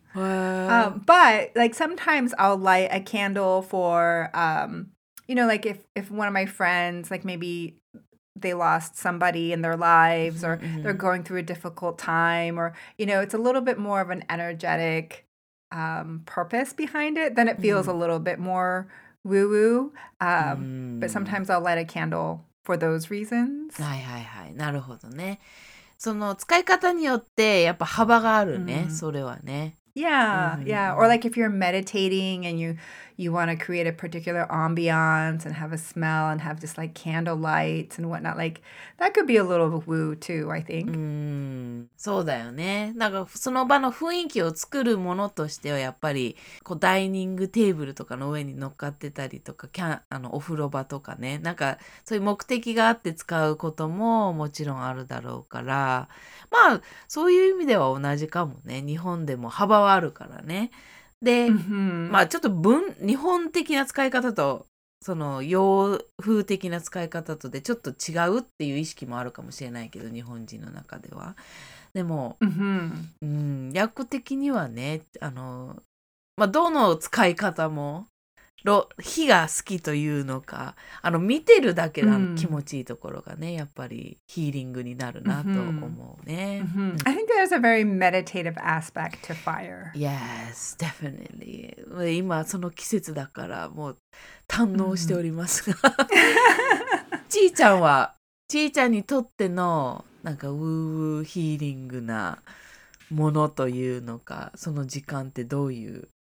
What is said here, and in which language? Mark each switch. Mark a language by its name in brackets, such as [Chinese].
[English] But like sometimes I'll light a candle for, you know, like if one of my friends, like maybe they lost somebody in their lives or they're going through a difficult time or, you know, it's a little bit more of an energetic purpose behind it. Then it feels a little bit more woo-woo. But sometimes I'll light a candle for those reasons. [Japanese] はいはいはい。なるほどね。その使い方によってやっぱ幅があるね。それはね。 [English] Yeah. Or like if you're meditating and you want to create a particular ambiance and have a smell and have just like candle lights and whatnot, like that could be a little woo too, I think. [Japanese] そうだよね。なんかその場の雰囲気を作るものとしてはやっぱりこうダイニングテーブルとかの上に乗っかってたりとか、お風呂場とかね、なんかそういう目的があって使うことももちろんあるだろうから、まあそういう意味では同じかもね。日本でも幅はあるからね。で、まあちょっと日本的な使い方とその洋風的な使い方とでちょっと違うっていう意識もあるかもしれないけど、日本人の中では。でも、訳的にはね、まあどの使い方も火が好きというのか、見てるだけの気持ちいいところがね、やっぱりヒーリングになるなと思うね。 [English] I think there's a very meditative aspect to fire. Yes, definitely. [Japanese] 今その季節だからもう堪能しておりますが。ちいちゃんは、ちいちゃんにとってのなんかウーウーヒーリングなものというのか、その時間ってどういう、